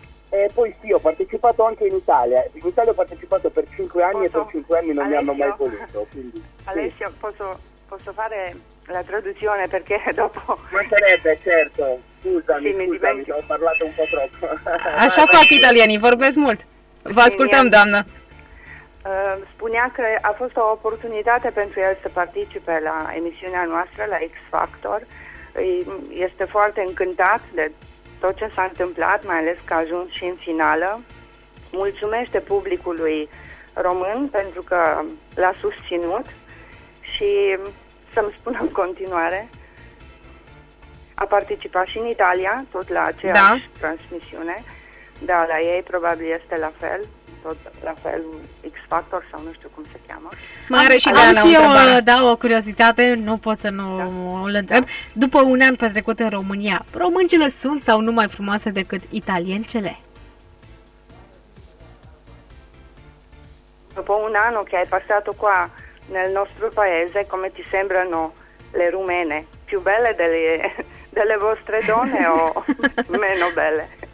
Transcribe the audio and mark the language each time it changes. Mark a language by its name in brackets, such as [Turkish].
[Italian] E poi sì, ho partecipato anche in Italia. In Italia ho partecipato per 5 anni e per 5 anni non Alessio, mi hanno mai voluto. Quindi, Alessio, sì. posso fare la traduzione perché dopo... Mancherebbe, certo. Scusami, ho parlato un po' troppo. [Romanian] Așa fac italieni, vorbesc mult. Vă ascultăm, doamnă. Spunea că a fost o oportunitate pentru el să participe la emisiunea noastră, la X Factor. Este foarte încântat de tot ce s-a întâmplat, mai ales că a ajuns și în finală. Mulțumește publicului român pentru că l-a susținut și să-mi spună în continuare. A participat și în Italia, tot la aceeași transmisiune, dar la ei probabil este la fel, tot la fel, X Factor sau nu știu cum se cheamă. O curiozitate, nu pot să nu îl întreb. Da. După un an petrecut în România, româncile sunt sau nu mai frumoase decât italiencele? După un an [Italian] che hai passato qua nel nostro paese, come ti sembrano le rumene? Più belle delle vostre donne o meno belle?